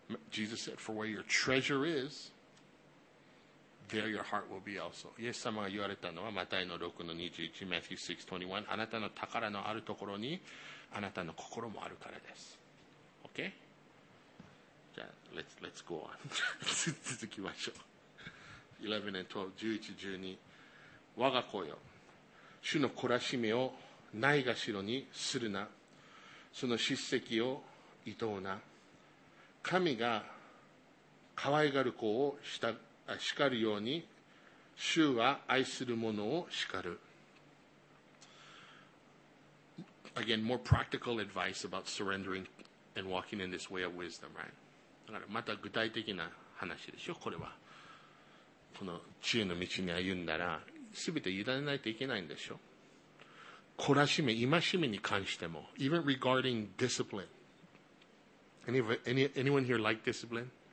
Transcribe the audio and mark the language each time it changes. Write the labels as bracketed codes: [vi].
[en] Jesus said, for where your treasure is, there your heart will be also. [ja] イエス様が言われたのはマタイの 6-21 [en] Matthew 6-21 [ja] あなたの宝のあるところにあなたの心もあるからです。 [en] OK? [ja] じゃあ [en] let's go on [ja] 続きましょう。 11-12我が子よ、主の懲らしめをないがしろにするな、その叱責をいとうな。神が可愛がる子を叱るように、主は愛する者を叱る。 [en] Again, more practical advice about surrendering and walking in this way of wisdom, right? [ja] だからまた具体的な話でしょ、これは。この知恵の道に歩んだら、全て委ねないといけないんでしょ。懲らしめ、戒めに関しても。 [en] Even regarding discipline. Anyone here like discipline?